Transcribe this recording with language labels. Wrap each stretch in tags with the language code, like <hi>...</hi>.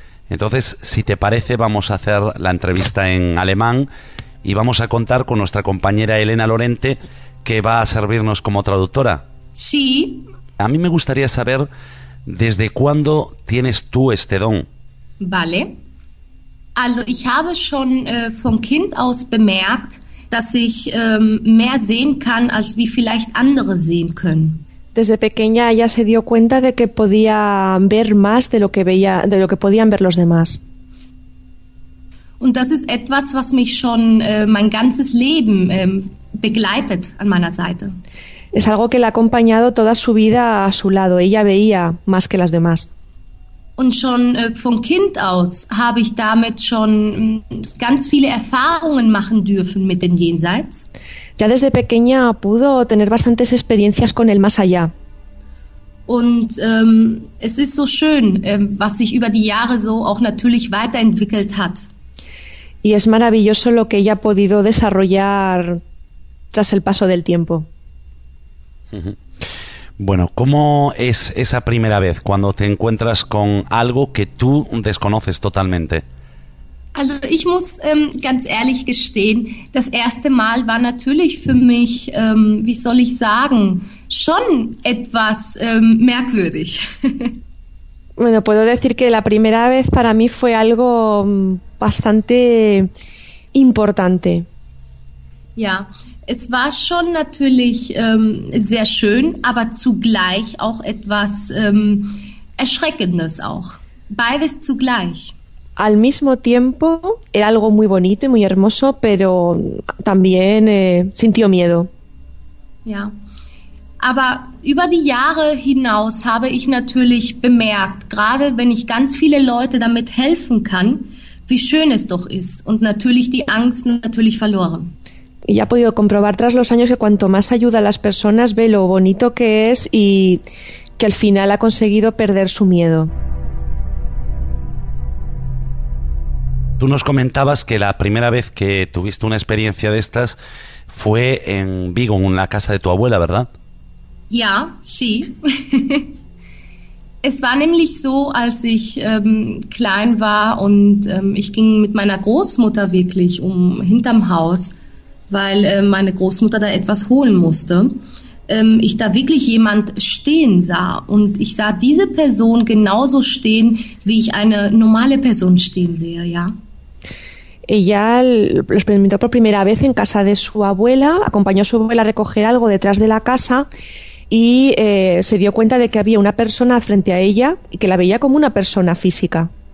<es>Entonces, si te parece, vamos a hacer la entrevista en alemán y vamos a contar con nuestra compañera Elena Lorente, que va a servirnos como traductora. Sí. A mí me gustaría saber desde cuándo tienes tú este don. Vale.</es> <de>Also ich habe schon von Kind aus bemerkt, dass ich mehr sehen kann, als wie vielleicht andere sehen können.</de> <es>Desde pequeña ella se dio cuenta de que podía ver más de lo que veía, de lo que podían ver los demás.</es> <de>Und das ist etwas, was mich schon mein ganzes Leben begleitet an meiner Seite.</de> <es>Es algo que la ha acompañado toda su vida a su lado. Ella veía más que las demás.</es> <de>Und schon von Kind aus habe ich damit schon ganz viele Erfahrungen machen dürfen mit dem Jenseits.</de> <es>Ya desde pequeña pudo tener bastantes experiencias con el más allá.</es> <de>Und es ist so schön, was sich über die Jahre so auch natürlich weiterentwickelt hat.</de> <es>Y es maravilloso lo que ella ha podido desarrollar tras el paso del tiempo. Bueno, ¿cómo es esa primera vez cuando te encuentras con algo que tú desconoces totalmente?</es> <de>Also, ich muss ganz ehrlich gestehen, das erste Mal war natürlich für mich, wie soll ich sagen, schon etwas merkwürdig.</de> <es>Bueno, puedo decir que la primera vez para mí fue algo bastante importante.</es> <de>Ja. Es war schon natürlich sehr schön, aber zugleich auch etwas Erschreckendes auch. Beides zugleich.</de> <es>Al mismo tiempo era algo muy bonito y muy hermoso, pero también sintió miedo.</es> <de>Ja, aber über die Jahre hinaus habe ich natürlich bemerkt, gerade wenn ich ganz viele Leute damit helfen kann, wie schön es doch ist und natürlich die Angst natürlich verloren.</de> <es>Y ha podido comprobar tras los años que cuanto más ayuda a las personas, ve lo bonito que es y que al final ha conseguido perder su miedo. Tú nos comentabas que la primera vez que tuviste una experiencia de estas fue en Vigo, en la casa de tu abuela, ¿verdad?</es> <de>Ja,</de> <es>sí.</es> <de>Es war nämlich so, als ich klein war und ich ging mit meiner Großmutter wirklich hinterm Haus, weil meine Großmutter da etwas holen musste, ich da wirklich jemand stehen sah. Und ich sah diese Person genauso stehen, wie ich eine normale Person stehen sehe, ja.</de> <es>Ella lo experimentó por primera vez en casa de su abuela, acompañó a su abuela a recoger algo detrás de la casa y se dio cuenta de que había una persona frente a ella y que la veía como una persona física.</es>